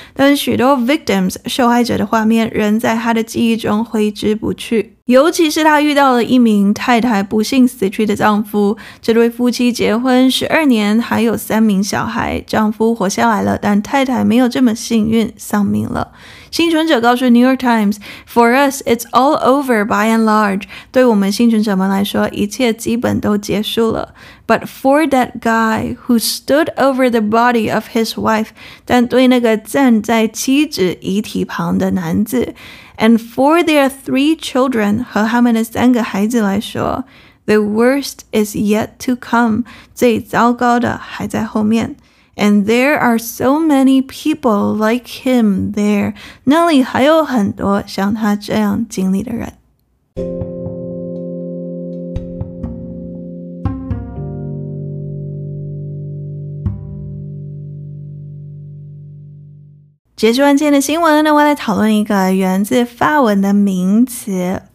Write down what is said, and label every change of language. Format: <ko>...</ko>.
<zh>但许多</zh> <en>victims,</en> <zh>受害者的画面仍在他的记忆中挥之不去。尤其是他遇到了一名太太不幸死去的丈夫，这对夫妻结婚12年还有三名小孩，丈夫活下来了，但太太没有这么幸运丧命了。幸存者告诉</zh> <en>New York Times, For us, it's all over by and large.</en> <zh>对我们幸存者们来说，一切基本都结束了。</zh> <en>But for that guy who stood over the body of his wife,</en> <zh>但对那个站在妻子遗体旁的男子</zh> <en>and for their three children,</en> <zh>和他们的三个孩子来说</zh> <en>the worst is yet to come,</en> <zh>最糟糕的还在后面。</zh> <en>And there are so many people like him there.</en> <zh>那里还有很多像他这样经历的人。结束完今天的新闻，那我来讨论一个源自法文的名词。</zh>